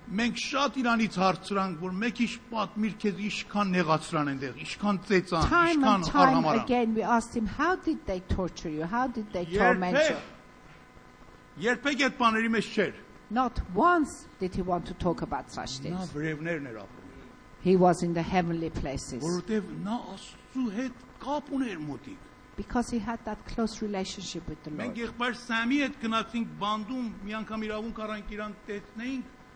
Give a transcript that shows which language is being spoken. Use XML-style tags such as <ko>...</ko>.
<hy>Մենք շատ իրանից հարցրանք, որ մեկ իշ պատմիր քեզ ինչքան նեղացրան ընդեղ, ինչքան ծեծան, ինչքան հարամարան.</hy> <en>Again, we asked him, how did they torture you? How did they torment you?</en> <hy>Երբեք այդ բաների մեջ չէր.</hy> <en>Not once did he want to talk about such things.</en> <hy>Նա վրևներն էր ապրում.</hy> <en>He was in the heavenly places.</en> <hy>Որովհետև նա Աստծո հետ կապ ուներ մոտիկ.</hy> <en>Because he had that close relationship with the Lord.</en> <hy>Մենք եղբայր Սամի հետ գնացինք բանդում, մի անգամ իրավունք առանք իրան տեսնեինք.</hy>